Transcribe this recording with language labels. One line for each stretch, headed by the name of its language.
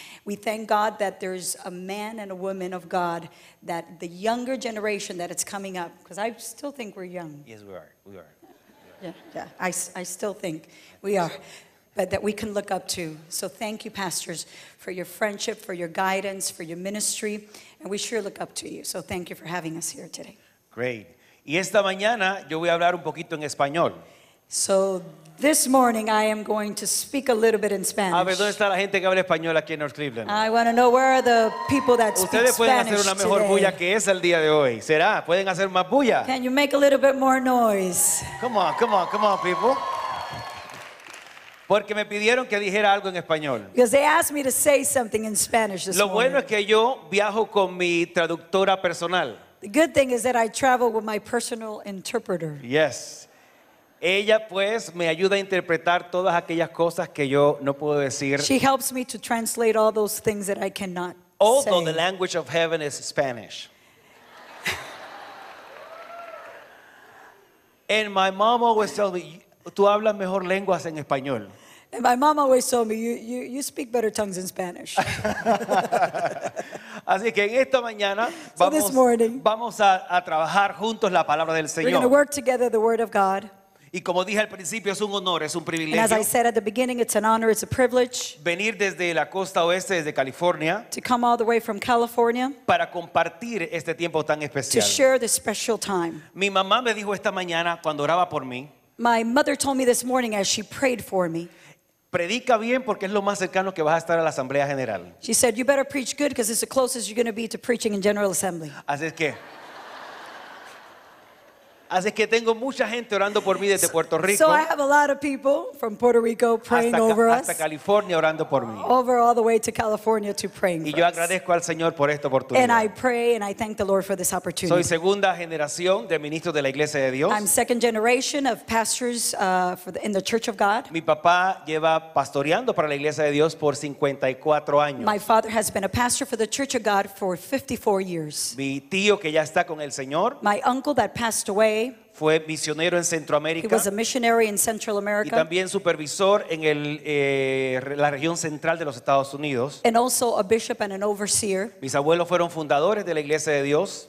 English: We thank God that there's a man and a woman of God, that the younger generation that it's coming up, because I still think we're young. Yes, we are. We are. Yeah. I still think we are, but that we can look up to. So thank you, pastors, for your friendship, for your guidance, for your ministry, and we sure look up to you. So thank you for having us here today. Great.
Spanish: Y esta mañana yo voy a hablar un poquito en español.
English: So this morning I am going to speak a little bit in Spanish.
Spanish: A ver, ¿dónde está la gente que habla español aquí en North Cleveland?
English: I want to know where are the people that speak Spanish.
Spanish: Ustedes pueden hacer una mejor
English: today.
Spanish: Bulla que esa el día de hoy. ¿Será? ¿Pueden hacer más bulla?
English: Can you make a little bit more noise? Come on, people.
Spanish: Porque me pidieron que dijera algo en español.
English: Because they asked me to say something in Spanish this
Spanish: Lo bueno Es que yo viajo con mi traductora personal.
English: The good thing is that I travel with my personal interpreter. Yes.
Spanish: Ella pues me ayuda a interpretar todas aquellas cosas que yo no puedo decir.
English: She helps me to translate all those things that I cannot Although say. Although the language of heaven is Spanish. And my mom always told me,
Spanish: tú hablas mejor lenguas en español.
English: And my mom always told me, you speak better tongues in Spanish.
Spanish: Así que en esta mañana vamos a trabajar juntos la palabra del Señor.
English: We're going to work together the word of God.
Spanish: Y como dije al principio, es un honor, es un privilegio.
English: And as I said at the beginning, it's an honor, it's a privilege.
Spanish: Venir desde la costa oeste, desde California.
English: To come all the way from California.
Spanish: Para compartir este tiempo tan especial.
English: To share this special time.
Spanish: Mi mamá me dijo esta mañana cuando oraba por mí.
English: My mother told me this morning as she prayed for me.
Spanish: Predica bien porque es lo más cercano que vas a estar a la Asamblea General.
English: She said, you better preach good because it's the closest you're going to be to preaching in General Assembly.
Spanish: Así es que tengo mucha gente orando por mí desde Puerto Rico.
English: So I have a lot of people from Puerto Rico praying over us.
Spanish: Hasta California orando por mí.
English: Over all the way to California to praying
Spanish: Y yo agradezco
English: us.
Spanish: Al Señor por esta oportunidad.
English: And I pray and I thank the Lord for this opportunity.
Spanish: Soy segunda generación de ministros de la Iglesia de Dios.
English: I'm second generation of pastors in the Church of God.
Spanish: Mi papá lleva pastoreando para la Iglesia de Dios por 54 años.
English: My father has been a pastor for the Church of God for 54 years.
Spanish: Mi tío que ya está con el Señor.
English: My uncle that passed away.
Spanish: Fue misionero en Centroamérica.
English: He was a missionary in Central America.
Spanish: Y también supervisor en la región central de los Estados Unidos.
English: And also a bishop and an overseer.
Spanish: Mis abuelos fueron fundadores de la Iglesia de Dios.